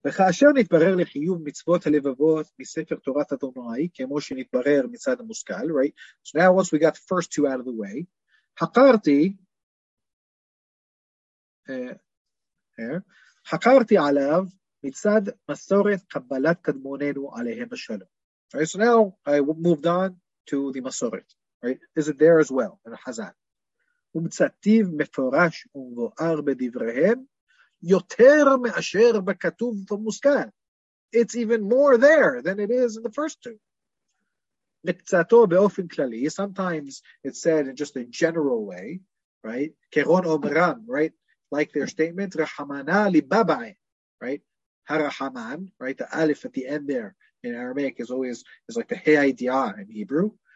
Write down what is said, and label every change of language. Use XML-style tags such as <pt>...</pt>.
<he>וכאשר נתברר לחיוב מצוות הלבבות מספר תורת אדוני, כמו שנתברר מצד המושכל, right?</he> <en>So now once we got the first two out of the way,</en> <he>הכרתי, הכרתי עליו מצד מסורת קבלת קדמוננו עליהם השלום.</he> <en>Right? So now I moved on to the מסורת, right? Is it there as well, in החזל?</en> <he>ומצטיב מפורש ומבואר בדבריהם, יותר מאשר בכתוב במושכל.</he> <en>It's even more there than it is in the first two.</en> <he>מקצתו באופן כללי,</he> <en>sometimes it's said in just a general way, right?</en> <he>כרון אומרם,</he> <en>right? Like their statement,</en> <he>רחמנה ליבה בהם.</he> <en>right? Harahaman, right? The Aleph at the end there in Aramaic is always is like the Hayidiyah in Hebrew.</en>